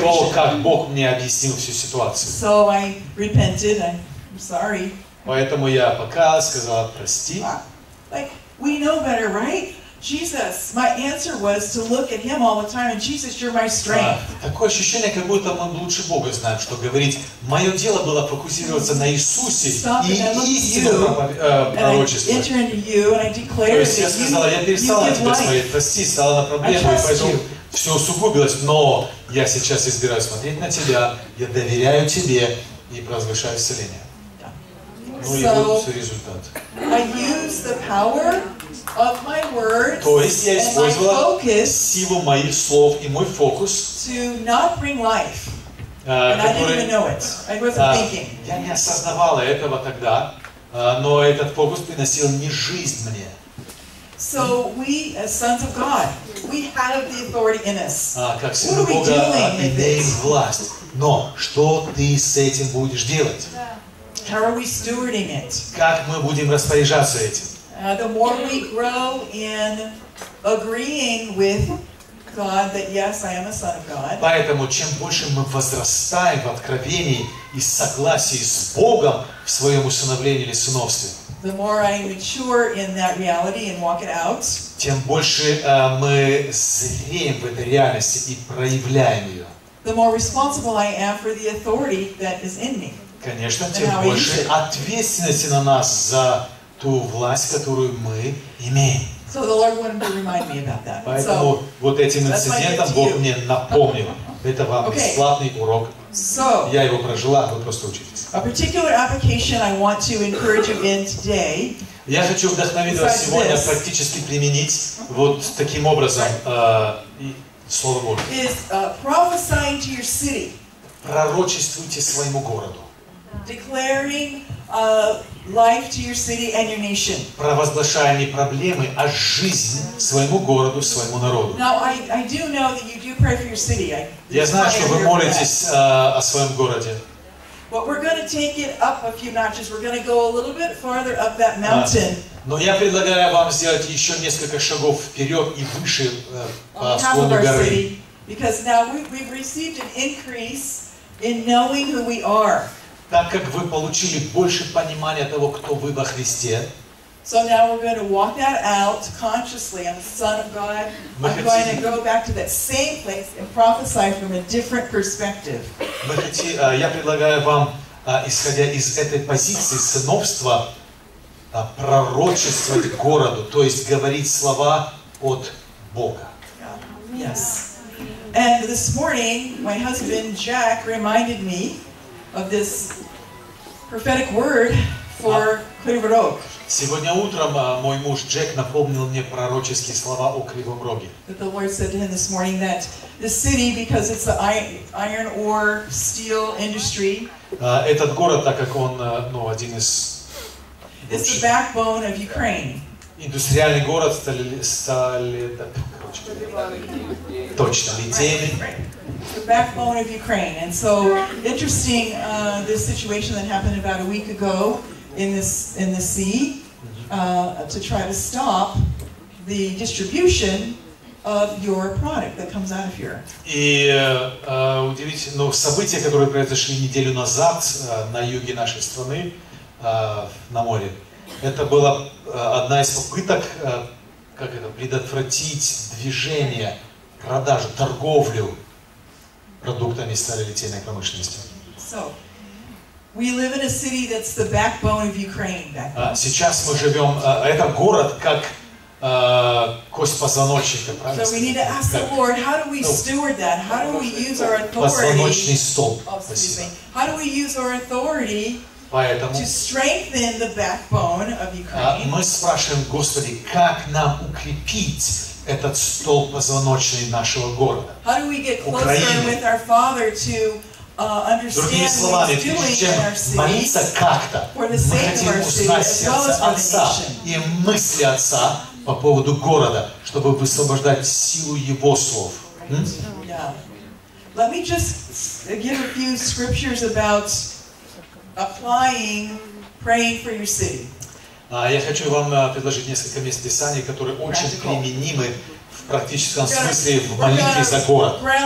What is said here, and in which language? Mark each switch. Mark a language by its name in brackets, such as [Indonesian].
[Russian] То, как Бог мне объяснил всю ситуацию. [English] So I repented, I'm sorry. [Russian] Поэтому я пока сказала прости. [English] Like, we know better, right? Jesus, my answer was to look at him all the time, and Jesus, you're my strength. [Russian] Такое ощущение, как будто мы лучше Бога знаем, что говорить. Мое дело было фокусироваться на Иисусе и истину пророчества. [English] Enter into you, and I declare to you, you give life. [Russian] Я перестала тебя смотреть, прости, стала на проблему, и пойду. Все усугубилось, но я сейчас избираю смотреть на тебя, я доверяю тебе и провозглашаю исцеление. Ну и вот все результат. [English] I use the power of my words. [Russian] То есть я использовала силу моих слов и мой фокус. [English] To not bring life. And I didn't even know it. I wasn't thinking. [Russian] Я не осознавала этого тогда, но этот фокус приносил не жизнь мне. [English] So we, as sons of God, we have the authority in us. [Russian] Как сыны Бога, имеем власть. Но что ты с этим будешь делать? [English] How are we stewarding it? [Russian] Как мы будем распоряжаться этим? [English] The more we grow in agreeing with God that yes, I am a son of God. [Russian] Поэтому чем больше мы возрастаем в откровении и согласии с Богом в своем усыновлении или сыновстве. [English] The more I mature in that reality and walk it out. [Russian] Тем больше мы зреем в этой реальности и проявляем ее. [English] The more responsible I am for the authority that is in me. [Russian] Конечно, тем больше ответственности на нас за ту власть, которую мы имеем. [English] So the Lord wanted to remind me about that. [Russian] Поэтому вот этим инцидентом Бог мне напомнил. Это вам бесплатный урок. [English] So, [Russian] я его прожила, вы просто учитесь. [English] A particular application I want to encourage you in today. [Russian] Я хочу вдохновить вас сегодня практически применить вот таким образом Слово Божие. [English] Is prophesying to your city. [Russian] Пророчествуйте своему городу. [English] Declaring life to your city and your nation. [Russian] Провозглашая не проблемы, а жизнь своему городу, своему народу. [English] Now I do know that you do pray for your city. [Russian] Я знаю, что вы молитесь о своем городе. [English] But we're going to take it up a few notches. We're going to go a little bit farther up that mountain. [Russian] Но я предлагаю вам сделать еще несколько шагов вперед и выше по склону горы. [English] City, because now we've received an increase in knowing who we are. [Russian] Так как вы получили больше понимания того, кто вы во Христе. [English] So now we're going to walk that out consciously. I'm the Son of God. [Russian] Мы [English] I'm going to go back to that same place and prophesy from a different perspective. [Russian] Мы хотим, я предлагаю вам, исходя из этой позиции сыновства, пророчествовать городу, то есть говорить слова от Бога. [English] Yes. And this morning my husband Jack reminded me of this prophetic word for Кривой Рог. [Russian] Сегодня утром мой муж Джек напомнил мне пророческие слова о Кривом Роге. [English] The Lord said to him this morning that the city, because it's the iron ore steel industry. [Russian] Этот город, так как он, ну, один из. [English] It's the backbone of Ukraine. [Russian] Индустриальный город Литейный. [English] The backbone of Ukraine, and so interesting this situation that happened about a week ago in the sea. To try to stop the distribution of your product that comes out of here. [Russian] И удивительно, но события, которые произошли неделю назад на юге нашей страны, на море, это была одна из попыток, как это, предотвратить движение, продажу, торговлю продуктами сталелитейной промышленности. [English] So. We live in a city that's the backbone of Ukraine. [Russian] Сейчас мы живем, это город как кость позвоночника, правильно? [English] So we need to ask the Lord, how do we steward that? How do we use our authority? [Russian] Позвоночный столб. [English] How do we use our authority to strengthen the backbone of Ukraine? [Russian] Мы спрашиваем, Господи, как нам укрепить этот столб позвоночный нашего города? [English] How do we get closer with our Father to [Russian] другими словами, прежде чем молиться как-то, мы хотим узнать сердце Отца и мысли Отца по поводу города, чтобы высвобождать силу Его слов. [English] Let me just give a few scriptures about applying praying for your city. [Russian] Я хочу вам предложить несколько мест Писаний, которые очень применимы в практическом смысле в молитве за город.